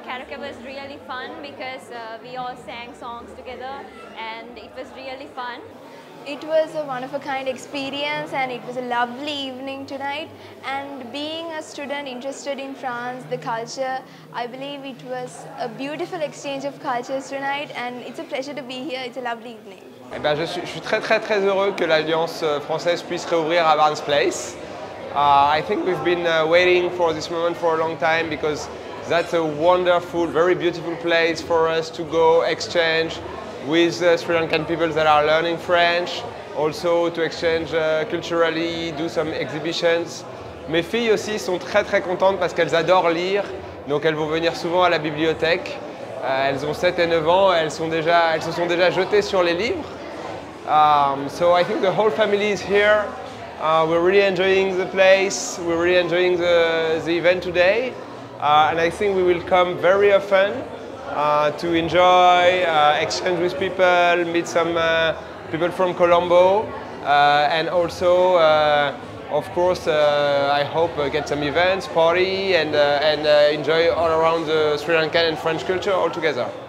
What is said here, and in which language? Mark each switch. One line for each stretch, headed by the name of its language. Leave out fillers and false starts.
English: it was really fun because we all sang songs together and it was really fun. It was a one-of-a-kind experience and it was a lovely evening tonight. And being a student interested in France, the culture, I believe it was a beautiful exchange of cultures tonight and it's a pleasure to be here, it's a lovely evening.
French: Eh bien, je suis très très très heureux que l'Alliance française puisse réouvrir à Barnes Place.
English: I think we've been waiting for this moment for a long time because that's a wonderful, very beautiful place for us to go exchange with Sri Lankan people that are learning French, also to exchange culturally, do some exhibitions.
French: Mes filles aussi sont très très contentes parce qu'elles adorent lire, donc elles vont venir souvent à la bibliothèque. Elles ont 7 et 9 ans, elles se sont déjà jetées sur les livres.
English: So I think the whole family is here. We're really enjoying the place, we're really enjoying the event today. And I think we will come very often to enjoy, exchange with people, meet some people from Colombo, and also, of course, I hope get some events, party, and enjoy all around the Sri Lankan and French culture all together.